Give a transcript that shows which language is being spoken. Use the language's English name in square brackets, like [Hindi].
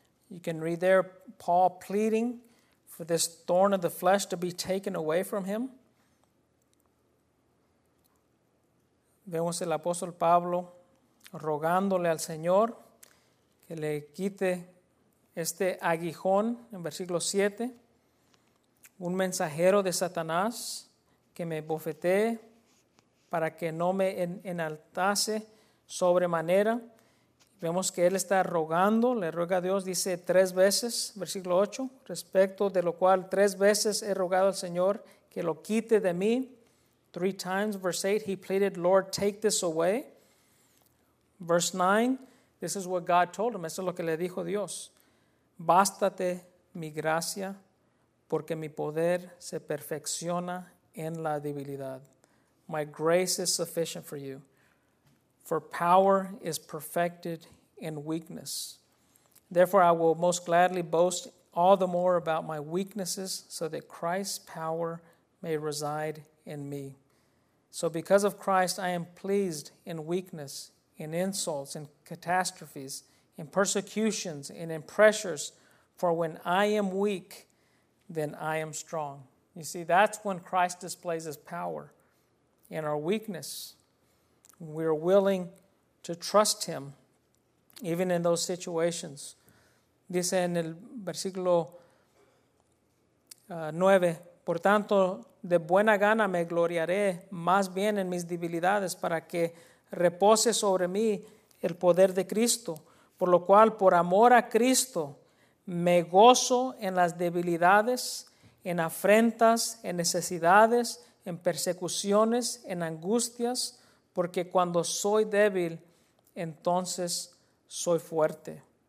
[English] You can read there Paul pleading for this thorn of the flesh to be taken away from him. [Spanish] Vemos el apóstol Pablo rogándole al Señor que le quite este aguijón en versículo 7. Un mensajero de Satanás que me bofetee para que no me enaltase sobremanera. Vemos que él está rogando, le ruega a Dios, dice tres veces, versículo 8, respecto de lo cual tres veces he rogado al Señor que lo quite de mí. [English] Three times, verse 8, he pleaded, Lord, take this away. Verse 9, this is what God told him, [Spanish] eso es lo que le dijo Dios. Bástate mi gracia, porque mi poder se perfecciona en la debilidad. [English] My grace is sufficient for you, for power is perfected in weakness. Therefore, I will most gladly boast all the more about my weaknesses, so that Christ's power may reside in me. So because of Christ, I am pleased in weakness, in insults, in catastrophes, in persecutions, and in pressures. For when I am weak, then I am strong. You see, that's when Christ displays his power. In our weakness, we are willing to trust him, even in those situations. [Spanish] Dice en el versículo 9, por tanto, de buena gana me gloriaré más bien en mis debilidades para que repose sobre mí el poder de Cristo. Por lo cual, por amor a Cristo, me gozo en las debilidades, en afrentas, en necesidades, en persecuciones, en angustias, porque cuando soy débil, entonces soy fuerte.